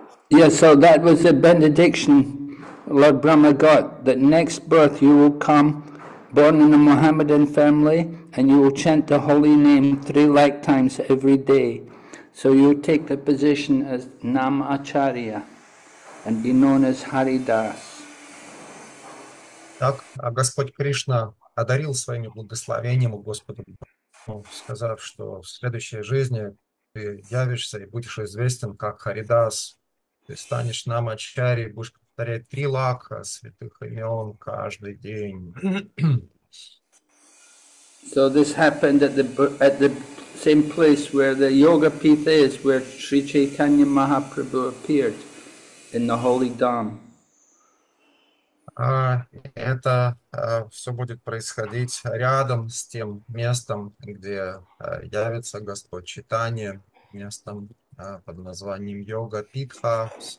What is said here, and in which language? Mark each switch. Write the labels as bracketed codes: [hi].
[en] Yeah, so that was the benediction Lord Brahma got, that next birth you will come born in a Mohammedan family and you will chant the holy name 3 lifetimes every day. So you take the position as Nam Acharya and be known as Haridas. [ru] Так, а Господь Кришна одарил своими благословениями Господу, сказав, что в следующей жизни ты явишься и будешь известен как Харидас, ты станешь Намачари, будешь повторять 3 лакха святых имен каждый день. [en] So this happened at the same place where the yoga pitha is, where Sri Chaitanya Mahaprabhu appeared in the holy dham. [ru] Это все будет происходить рядом с тем местом, где явится Господь Читания, местом под названием Йога Питха.